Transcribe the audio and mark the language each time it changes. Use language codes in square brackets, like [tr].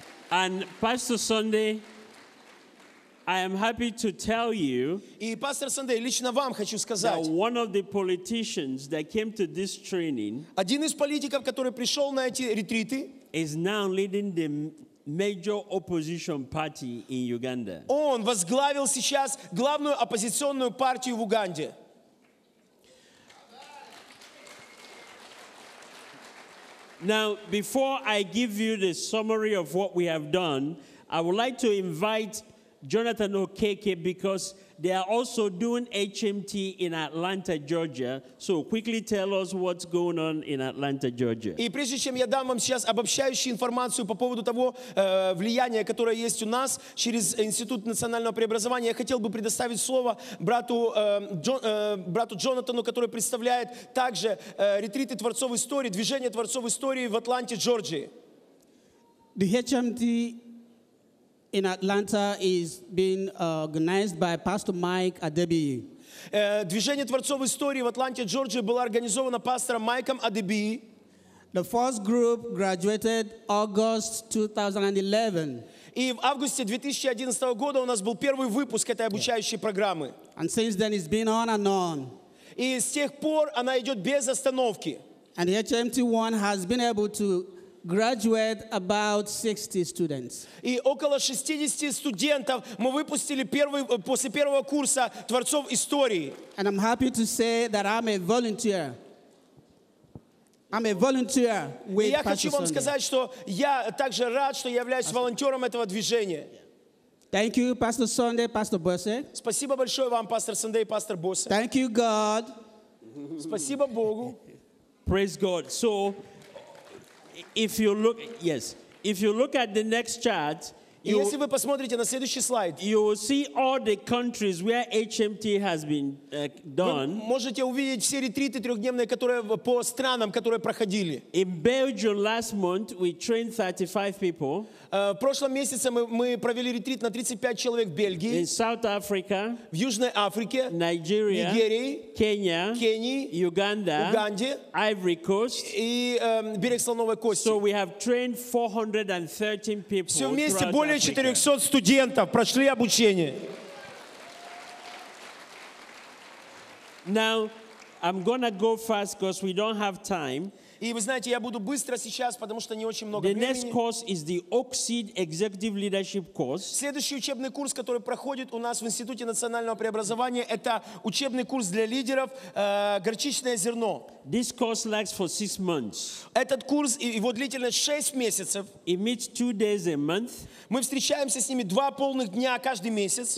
[en] And Pastor Sunday, I am happy to tell you. [ru] И пастор Сандей, лично вам хочу сказать. [en] That one of the politicians that came to this training. [ru] Один из политиков, который пришел на эти ретриты. [en] Is now leading the major opposition party in Uganda. [ru] Он возглавил сейчас главную оппозиционную партию в Уганде. [en] Now, before I give you the summary of what we have done, I would like to invite Jonathan Okeke because they are also doing HMT in Atlanta, Georgia. So quickly tell us what's going on in Atlanta, Georgia. [ru] И прежде чем я дам вам сейчас обобщающую информацию по поводу того влияния, которое есть у нас через Институт национального преобразования, я хотел бы предоставить слово брату Джонатану, который представляет также ретриты творцов истории, движение творцов истории в Атланте, Джорджии. [en] The HMT in Atlanta is being organized by Pastor Mike Adebiyi. [ru] Движение Творцов истории в Атланте, Джорджия было организовано пастором Майком Адебиеи. [en] The first group graduated August 2011. [ru] И в августе 2011 года у нас был первый выпуск этой обучающей программы. [en] And since then it's been on and on. [ru] И с тех пор она идет без остановки. [en] And HMT 1 has been able to graduate about 60 students. [ru] И около 60 студентов мы выпустили первый после первого курса Творцов истории. [en] And I'm happy to say that I'm a volunteer. I'm a volunteer with [ru] Я хочу вам сказать, что я также рад, что являюсь волонтером этого движения. [en] Thank you, Pastor Sunday, Pastor Bosse. [ru] Спасибо большое вам, Pastor Sunday, Pastor Bosse. [en] Thank you, God. [ru] Спасибо Богу. [en] Praise God. So, if you look, yes, if you look at the next chart, [ru] если вы посмотрите на следующий слайд, [en] you will see all the countries where HMT has been done. [ru] Вы можете увидеть все ретриты трехдневные, которые по странам, которые проходили. [en] In Belgium last month, we trained 35 people. [ru] В прошлом месяце мы провели ретрит на 35 человек в Бельгии. [en] In South Africa, [ru] в Южной Африке, [en] Nigeria, [ru] Нигерии, [en] Kenya, [ru] Кении, [en] Uganda, [ru] Уганде, [en] Ivory Coast, [ru] и берег Слоновой Кости. [en] So we have trained 413 people. [ru] Все вместе более 400 студентов прошли обучение. [en] Now I'm gonna go fast because we don't have time. [ru] И вы знаете, я буду быстро сейчас, потому что не очень много [en] the [ru] времени. [en] Next course is the Oxid Executive Leadership course. [ru] Следующий учебный курс, который проходит у нас в Институте национального преобразования, это учебный курс для лидеров «Горчичное зерно». [en] This course lasts for 6 months. [ru] Этот курс, его длительность 6 месяцев. [en] It meets 2 days a month. [ru] Мы встречаемся с ними 2 полных дня каждый месяц.